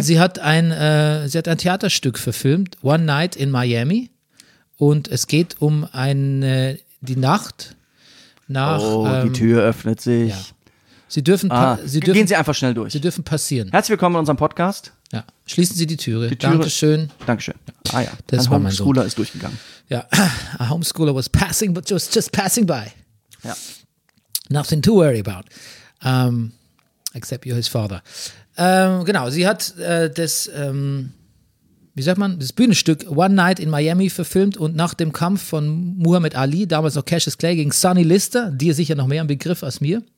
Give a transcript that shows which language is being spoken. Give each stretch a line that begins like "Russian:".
German: sie hat ein Theaterstück verfilmt, One Night in Miami. Und es geht um eine... Die Nacht nach... Oh, die Tür öffnet sich. Ja. Sie dürfen... Sie einfach schnell durch. Sie dürfen passieren. Herzlich willkommen in unserem Podcast. Ja, schließen Sie die Türe. Die Türe. Dankeschön. Dankeschön. Ah ja, das ein war Homeschooler mein ist durchgegangen.
English: Ja, a Homeschooler was just passing by.
German: Ja.
English: Nothing to worry about. Except you're his father.
German: Genau, sie hat das... wie sagt man, das Bühnenstück One Night in Miami verfilmt und nach dem Kampf von Muhammad Ali, damals noch Cassius Clay, gegen Sonny Lister, dir sicher noch mehr im Begriff als mir.